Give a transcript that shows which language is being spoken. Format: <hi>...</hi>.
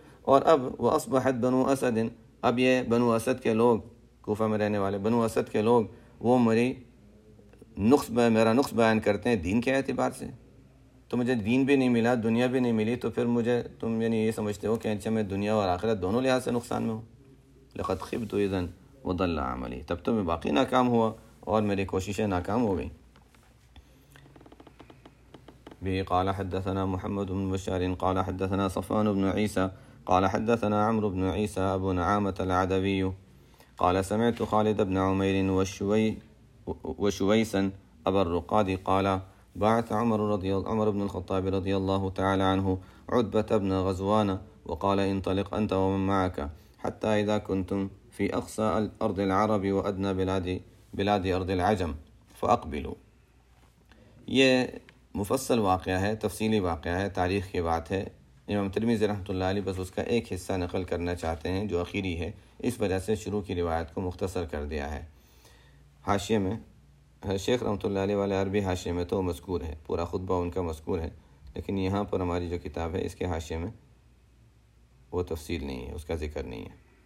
<ur>اور اب وہ اصبحت بنو اسد، اب یہ بنو اسد کے لوگ، کوفہ میں رہنے والے بنو اسد کے لوگ، وہ میرا نقص بیان کرتے ہیں دین کے اعتبار سے. تو مجھے دین بھی نہیں ملا، دنیا بھی نہیں ملی، تو پھر مجھے تم یعنی یہ سمجھتے ہو کہ اچھا میں دنیا اور آخرت دونوں لحاظ سے نقصان میں ہوں.</ur> <ar>لقد خبت اذن وضل عملی،</ar> <ur>تب تو میں باقی ناکام ہوا اور میری کوششیں ناکام ہو گئیں.</ur> <ar>بھی قال حدثنا محمد بن بشار قال حدثنا صفوان بن عیسیٰ قال حدثنا عمرو بن عیسیٰ ابو نعامۃ العدوی قال سمعت خالد بن عمیر وشویسا ابا الرقاد قال بعث عمر بن الخطاب رضی اللہ تعالی عنہ عتبۃ بن غزوان وقال انطلق انت ومن معك حتى اذا كنتم في اقصى الارض العرب وادنى بلاد ارض العجم فاقبلوا.</ar> <ur>یہ مفصل واقعہ ہے، تفصیلی واقعہ ہے، تاریخ کی بات ہے. امام ترمذی رحمۃ اللہ علیہ بس اس کا ایک حصہ نقل کرنا چاہتے ہیں جو اخیری ہے، اس وجہ سے شروع کی روایت کو مختصر کر دیا ہے. حاشیے میں شیخ رحمۃ اللہ علیہ والے عربی حاشیے میں تو مذکور ہے، پورا خطبہ ان کا مذکور ہے، لیکن یہاں پر ہماری جو کتاب ہے اس کے حاشیے میں وہ تفصیل نہیں ہے، اس کا ذکر نہیں ہے.</ur>